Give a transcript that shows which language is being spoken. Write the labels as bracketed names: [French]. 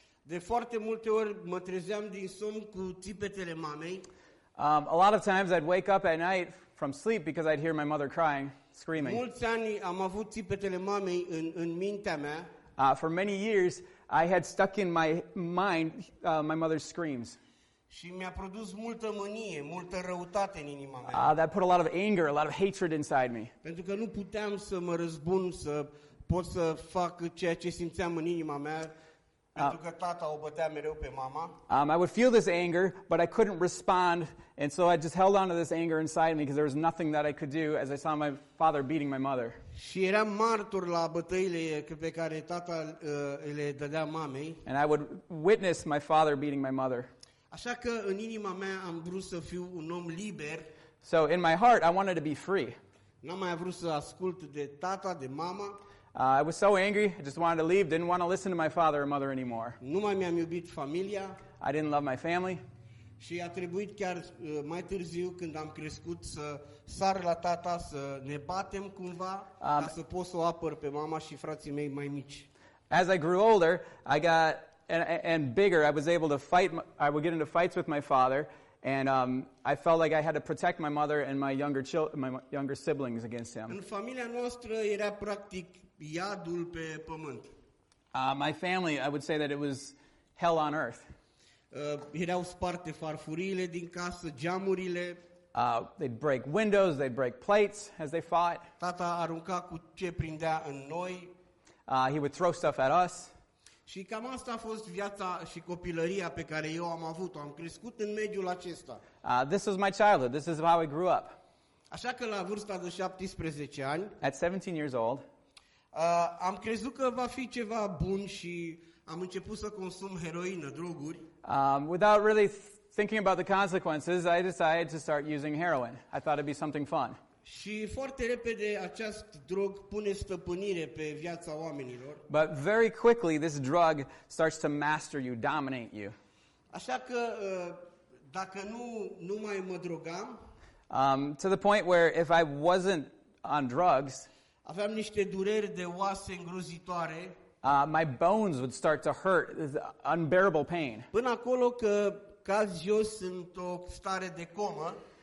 [Romanian] De foarte multe ori mă trezeam din somn cu țipetele mamei. [English] A lot of times I'd wake up at night from sleep because I'd hear my mother crying, screaming. [Romanian] Mulți ani am avut țipetele mamei în mintea mea. [English] For many years I had stuck in my mind my mother's screams. [Romanian] Și mi-a produs multă mânie, multă răutate în inima mea. [English] That put a lot of anger, a lot of hatred inside me. [Romanian] Pentru că nu puteam să mă răzbun, să pot să fac ceea ce simțeam în inima mea, pentru că tata o bătea mereu pe mama. [English] I would feel this anger, but I couldn't respond, and so I just held on to this anger inside me because there was nothing that I could do as I saw my father beating my mother. [Romanian] Și eram martor la bătăile pe care tata le dădea mamei. [English] And I would witness my father beating my mother. [Romanian] Așa că în inima mea am vrut să fiu un om liber. [English] So in my heart I wanted to be free. [Romanian] N-am mai vrut să ascult de tata, de mama. [English] I was so angry, I just wanted to leave, didn't want to listen to my father or mother anymore. [Romanian] Nu mai mi-am iubit familia. [English] I didn't love my family. [Romanian] Și a trebuit chiar mai târziu când am crescut să sar la tata să ne batem cumva, ca să pot să o apăr pe mama și frații mei mai mici. [English] As I grew older, I got And bigger, I was able to fight. I would get into fights with my father, and I felt like I had to protect my mother and my younger siblings against him. [Romanian] În familia noastră era practic iadul pe pământ. [English] My family, I would say that it was hell on earth. [Romanian] Erau sparte farfuriile din casă, geamurile. [English] They'd break windows. They'd break plates as they fought. [Romanian] Tata arunca cu ce prindea în noi. [English] He would throw stuff at us. [Romanian] Și cam asta a fost viața și copilăria pe care eu am avut-o. Am crescut în mediul acesta. [English] This was my childhood. This is how I grew up. [Romanian] Așa că la vârsta de 17 ani, [English] at 17 years old, [Romanian] am crezut că va fi ceva bun și am început să consum heroină, droguri. [English] Without really thinking about the consequences, I decided to start using heroin. I thought it'd be something fun. [Romanian] Și foarte repede acest drog pune stăpânire pe viața oamenilor. [English] But very quickly this drug starts to master you, dominate you. [Romanian] Așa că dacă nu mai mă drogam, [English] to the point where if I wasn't on drugs, [Romanian] aveam niște dureri de oase îngrozitoare. [English] My bones would start to hurt, unbearable pain. [Romanian] Până acolo că caz jos sunt o stare de comă.